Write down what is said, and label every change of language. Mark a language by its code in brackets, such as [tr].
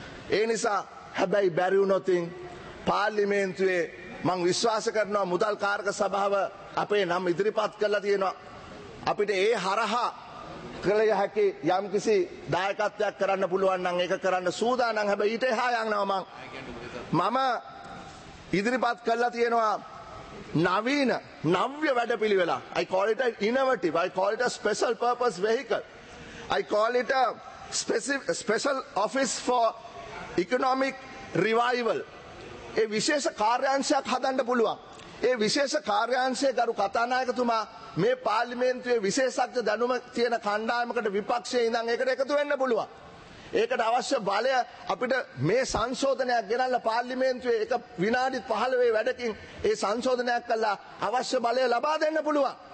[si] ඒ නිසා හැබැයි බැරි වුණොත් පාර්ලිමේන්තුවේ මං විශ්වාස කරනවා මුදල් කාරක සභාව අපේ නම් ඉදිරිපත් කරලා තියෙනවා. අපිට ඒ හරහා කළ යහකි යම් කිසි දායකත්වයක් කරන්න පුළුවන් නම් ඒක කරන්න සූදානම්. හැබැයි ඊට එහා යන්නවා මම ඉදිරිපත් කළා තියෙනවා නවීන නව්‍ය වැඩපිළිවෙලා. [en] I call it innovative. I call it a special purpose vehicle. I call it a special office for economic revival. [si] ඒ විශේෂ කාර්යාංශයක් හදන්න පුළුවන්. ඒ විශේෂ කාර්යාංශයේ ගරු කතානායකතුමා මේ පාර්ලිමේන්තුවේ විශේෂඥ දැනුම තියෙන කණ්ඩායමකට විපක්ෂයේ ඉඳන් ඒකට එකතු වෙන්න පුළුවන්. ඒකට අවශ්‍ය බලය අපිට මේ සංශෝධනයක් ගෙනල්ලා පාර්ලිමේන්තුවේ එක විනාඩි 15 වැඩකින් ඒ සංශෝධනයක් කළා අවශ්‍ය බලය ලබා දෙන්න පුළුවන්.